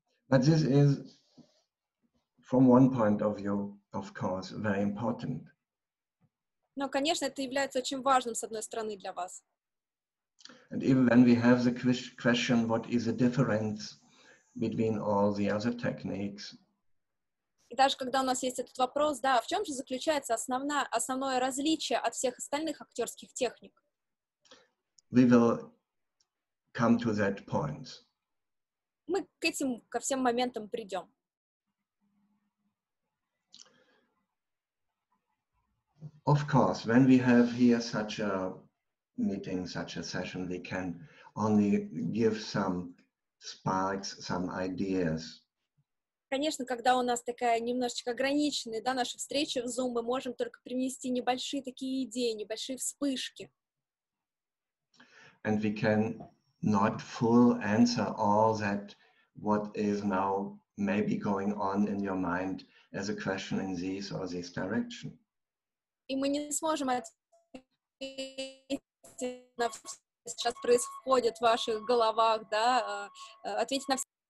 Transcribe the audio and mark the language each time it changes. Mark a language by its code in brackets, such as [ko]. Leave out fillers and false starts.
[en] But this is, from one point of view, of course, very important. [ru] Но, конечно, это является очень важным, с одной стороны, для вас. [en] And even when we have the question, what is the difference between all the other techniques? [ru] И даже когда у нас есть этот вопрос, да, в чем же заключается основное различие от всех остальных актерских техник? [en] We will come to that point. [ru] Мы к этим, ко всем моментам придем. [en] Of course, when we have here such a meeting, such a session, we can only give some sparks, some ideas. [ru] Конечно, когда у нас такая немножечко ограниченная, да, наша встреча в Zoom, мы можем только принести небольшие такие идеи, небольшие вспышки. [en] And we can not full answer all that what is now maybe going on in your mind as a question in this or this direction. [ru] И мы не сможем ответить на все, что сейчас происходит в ваших головах, да, ответить на все.